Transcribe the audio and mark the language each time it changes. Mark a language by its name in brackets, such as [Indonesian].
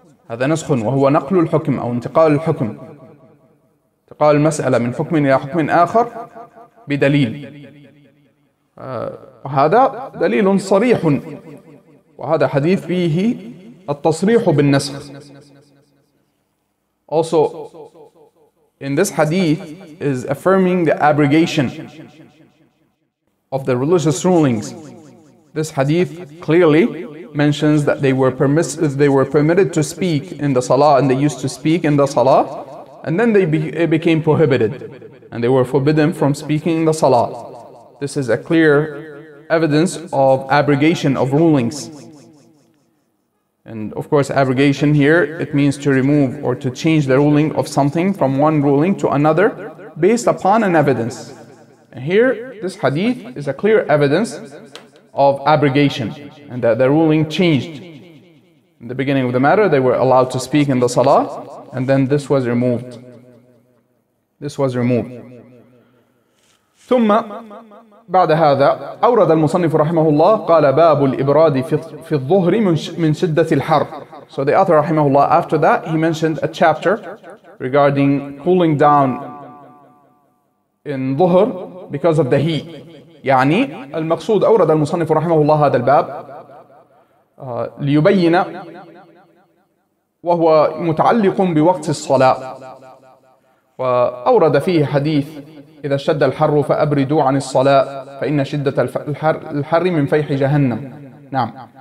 [Arabic] هذا نسخ وهو نقل الحكم أو انتقال الحكم, انتقال المسألة من حكم إلى حكم آخر بدليل. هذا دليل صريح, وهذا حديث فيه التصريح بالنسخ. [English] Also, in this hadith is affirming the abrogation of the religious rulings. This hadith clearly mentions that they were permitted to speak in the salah, and they used to speak in the salah, and then it became prohibited, and they were forbidden from speaking in the salah. This is a clear evidence of abrogation of rulings. And of course, abrogation here, it means to remove or to change the ruling of something from one ruling to another based upon an evidence. And here, this hadith is a clear evidence of abrogation, and that the ruling changed. In the beginning of the matter, they were allowed to speak in the salah, and then this was removed. This was removed. [Arabic] ثم بعد هذا أورد المصنف رحمه الله قال باب الإبراد في الظهر من شدة الحر. [English] So the author رحمه الله, after that he mentioned a chapter regarding cooling down in ظهر because of the heat. [Arabic] يعني المقصود, أورد المصنف رحمه الله هذا الباب ليبين, وهو متعلق بوقت الصلاة. وأورد فيه حديث إذا اشتد الحر فأبردوا عن الصلاة فإن شدة الحر من فيح جهنم. نعم.